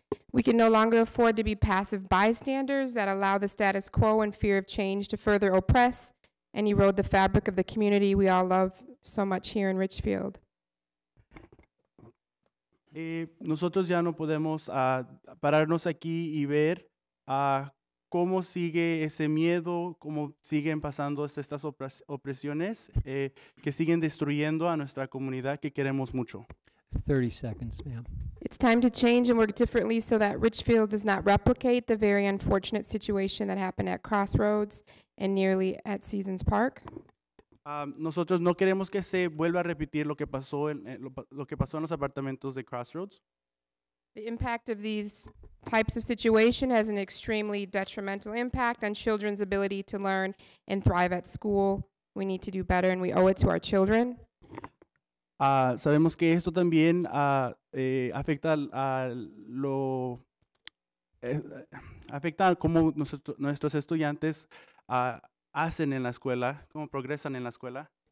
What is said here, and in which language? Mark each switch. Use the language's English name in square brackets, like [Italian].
[English] We can no longer afford to be passive bystanders that allow the status quo and fear of change to further oppress and erode the fabric of the community we all love so much here in Richfield. [Spanish] Nosotros ya no podemos pararnos aquí y ver cómo sigue ese miedo, cómo siguen pasando estas opresiones que siguen destruyendo a nuestra comunidad que queremos mucho. [English] 30 seconds, ma'am. It's time to change and work differently so that Richfield does not replicate the very unfortunate situation that happened at Crossroads and nearly at Seasons Park. [Spanish] Nosotros no queremos que se vuelva a repetir lo que pasó en los apartamentos de Crossroads. [English] The impact of these types of situation has an extremely detrimental impact on children's ability to learn and thrive at school. We need to do better, and we owe it to our children. [Spanish] Sabemos que esto también afecta a lo afecta a cómo nuestros estudiantes hacen en la escuela, cómo progresan en la escuela.